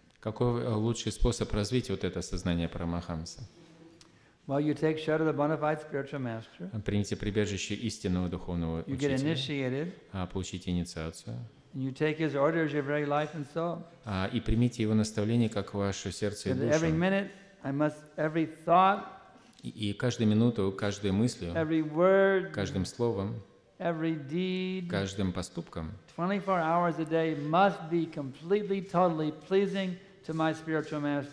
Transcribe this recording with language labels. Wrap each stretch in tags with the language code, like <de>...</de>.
<ru>Какой лучший способ развить вот это сознание Парамахамса?</ru> <en>Well, you take shelter of the bona fide spiritual master.</en> <ru>Примите прибежище истинного духовного учителя.</ru> <en>You get initiated.</en> <ru>Получите инициацию.</ru> <en>And you take his orders, your very life and soul.</en> <ru>И примите его наставление как ваше сердце и душу.</ru> <en>Every minute, I must every thought.</en> <ru>И каждую минуту, каждую мыслью,</ru> <en>every word,</en> <ru>каждым словом,</ru> <en>every deed,</en> <ru>каждым поступком,</ru> <en>24 hours a day must be completely, totally pleasing to my spiritual master.</en>